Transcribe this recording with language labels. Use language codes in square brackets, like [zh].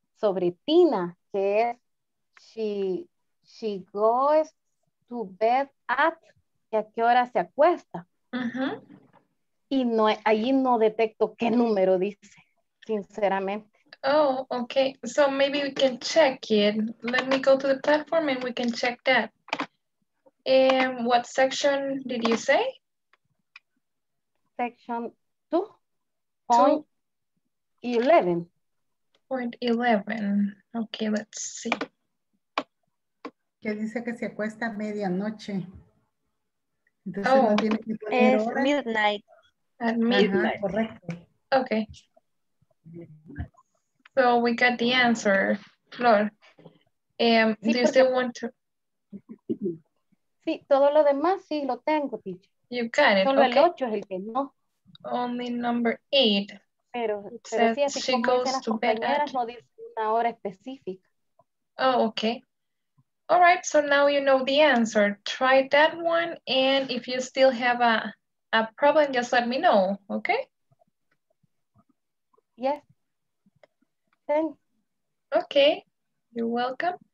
[es] Sobre Tina, que es [en] she goes to bed at, [es] ¿a qué hora se acuesta? Uh-huh. Y no, allí no detecto qué número dice, sinceramente. [en] Oh, okay. So maybe we can check it. Let me go to the platform and we can check that. And what section did you say? Section 2.11. 2.11. Okay, let's see. [es] Que dice que se acuesta a medianoche. Entonces oh, no tiene que poner es hora. [en] Midnight. At midnight. [es] Ajá, correcto. [en] Okay. So we got the answer, Flor. Sí, do you still want to? [es] Sí, todo lo demás sí lo tengo, teacher. [en] You got it. [es] Solo [en] okay. [es] El 8 es el que no. [en] Only number 8. [es] Pero sí, así [en] she [es] como [en] goes to bed at [es] no dice una hora específica. [en] Oh, okay. All right, so now you know the answer. Try that one, and if you still have a problem, just let me know, okay? Yes. Thanks. Okay. You're welcome.